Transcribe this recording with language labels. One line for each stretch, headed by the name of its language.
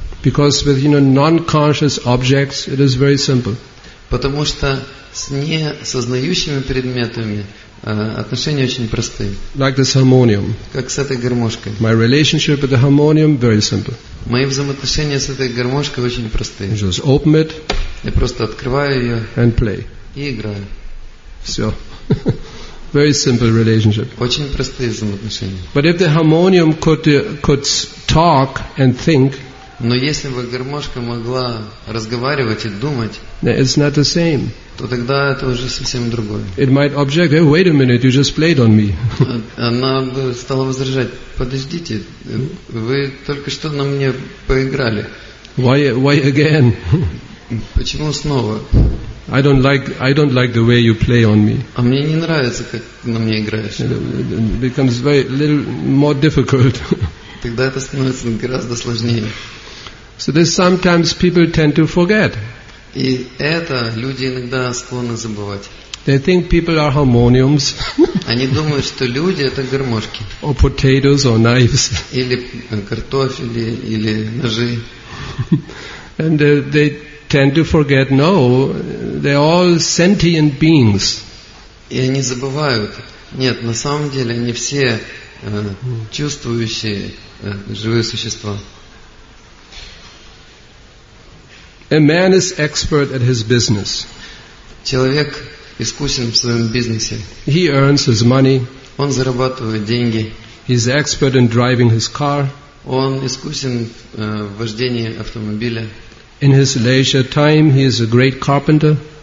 English: Because with non-conscious objects, it is very simple.
Russian: Потому что с несознающими предметами отношения очень простые.
English: Like this harmonium.
Russian: Как с этой гармошкой.
English: My relationship with the harmonium very simple.
Russian: Мои взаимоотношения с этой гармошкой очень простые.
English: Just open it.
Russian: Я просто открываю ее.
English: And play.
Russian: И играю. Все.
English: Very simple relationship.
Russian: Очень простые взаимоотношения.
English: But if the harmonium could talk and think.
Russian: Но если бы гармошка могла разговаривать и думать,
English: it's not the same.
Russian: То тогда это уже совсем другое.
English: It might object, hey, wait a minute, you just played on me.
Russian: Она бы стала возражать, подождите, вы только что на мне поиграли.
English: Why again?
Russian: Почему снова?
English: I don't like the way you play on me.
Russian: А мне не нравится, как на мне играешь.
English: It becomes very little more difficult.
Russian: Тогда это становится гораздо сложнее.
English: So this sometimes people tend to forget.
Russian: И это люди иногда склонны забывать.
English: They think people are harmoniums.
Russian: Они думают, что люди это гармошки.
English: Or potatoes or knives.
Russian: Или картофель или ножи.
English: And they tend to forget. No, they're all sentient beings.
Russian: И они забывают. Нет, на самом деле они все чувствующие живые существа.
English: A man is expert at his business.
Russian: Человек искусен в своем бизнесе.
English: He earns his money.
Russian: Он зарабатывает деньги.
English: He's expert in driving his car.
Russian: Он искусен в вождении автомобиля.
English: In his leisure time, he is a great carpenter.